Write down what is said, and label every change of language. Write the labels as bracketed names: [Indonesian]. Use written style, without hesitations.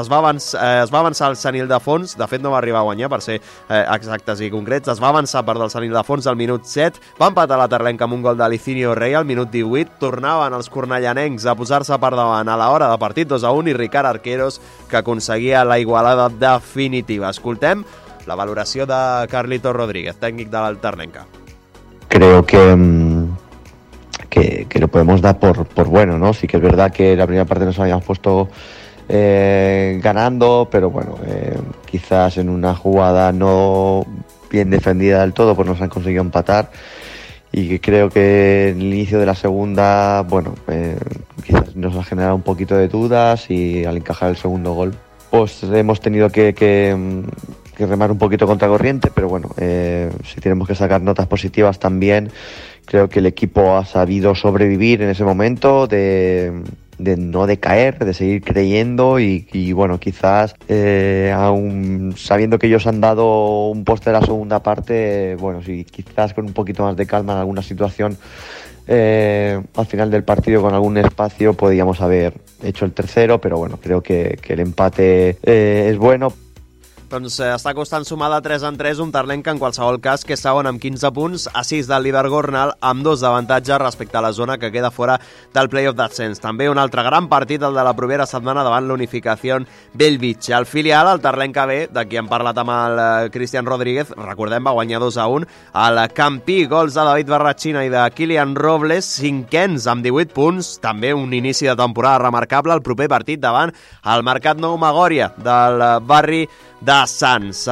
[Catalan] Es va avançar el Sant Ildefons, de fet no va arribar a guanyar per ser exactes i concrets, es va avançar per del Sant Ildefons al minut 7, va empatar la Terlenca amb un gol de Licinio Rey al minut 18, tornaven els cornellanencs a posar-se per davant a l'hora de partit 2-1 i Ricard Arqueros, que aconseguia la igualada definitiva. Escoltem la valoració de Carlito Rodríguez, tècnic de la Terlenca. [Spanish] Creo que lo podemos dar por bueno, ¿no? Sí que es verdad que la primera parte nos habíamos puesto ganando, pero bueno, quizás en una jugada no bien defendida del todo, pues nos han conseguido empatar. Y creo que en el inicio de la segunda, bueno, quizás nos ha generado un poquito de dudas, y al encajar el segundo gol, pues hemos tenido que remar un poquito contra corriente, pero bueno, si tenemos que sacar notas positivas también, creo que el equipo ha sabido sobrevivir en ese momento de no decaer, de seguir creyendo y bueno, quizás aún sabiendo que ellos han dado un poste de la segunda parte, bueno, si quizás con un poquito más de calma en alguna situación al final del partido con algún espacio podíamos haber hecho el tercero, pero bueno, creo que el empate es bueno. [Catalan] Doncs està costant sumar de 3 en 3 un Terlenc que en qualsevol cas que és segon amb 15 punts, a 6 del líder Gornal, amb 2 d'avantatge respecte a la zona que queda fora del play-off d'ascens. També un altre gran partit, el de la propera setmana davant l'Unificació Bellvitge. El filial, el Terlenc que ve, de qui hem parlat amb el Cristian Rodríguez, recordem, va guanyar 2-1 al Campí, gols de David Barrachina i de Kilian Robles, cinquens amb 18 punts, també un inici de temporada remarcable, el proper partit davant el Mercat Nou Magòria del barri de Sants.